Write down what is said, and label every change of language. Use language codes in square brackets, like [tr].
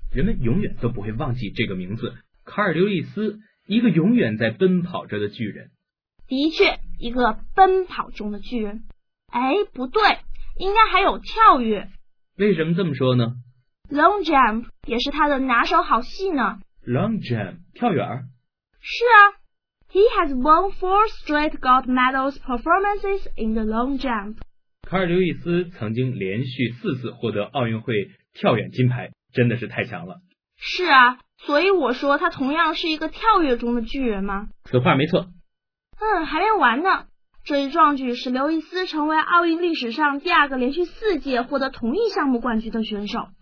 [zh] 人们永远都不会忘记这个名字，卡尔·刘易斯，一个永远在奔跑着的巨人。的确，一个奔跑中的巨人。哎，不对，应该还有跳跃。为什么这么说呢？ Long jump 也是他的拿手好戏呢。 Long jump 跳远？是啊， [en] He has won 4 straight gold medals performances in the long jump。 [zh] 卡尔·刘易斯曾经连续四次获得奥运会跳远金牌，真的是太强了。是啊，所以我说他同样是一个跳跃中的巨人吗？此话没错。嗯，还没完呢。这一壮举使刘易斯成为奥运历史上第二个连续四届获得同一项目冠军的选手。